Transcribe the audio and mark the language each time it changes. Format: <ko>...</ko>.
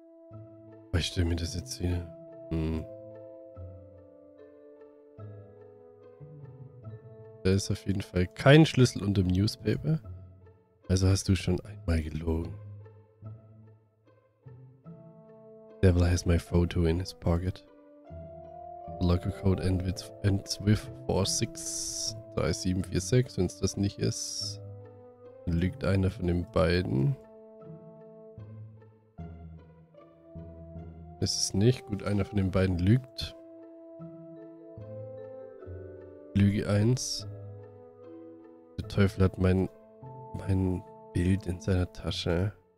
<de>Aber ich stelle mir das jetzt hier. Da ist auf jeden Fall kein Schlüssel unter dem Newspaper. Also hast du schon einmal gelogen.</de> <en>Devil has my photo in his pocket. The locker code ends with 463746.</en> <de>Wenn es das nicht ist, dann lügt einer von den beiden. Ist es nicht? Gut, einer von den beiden lügt. Lüge 1. Der Teufel hat mein Bild in seiner Tasche.</de>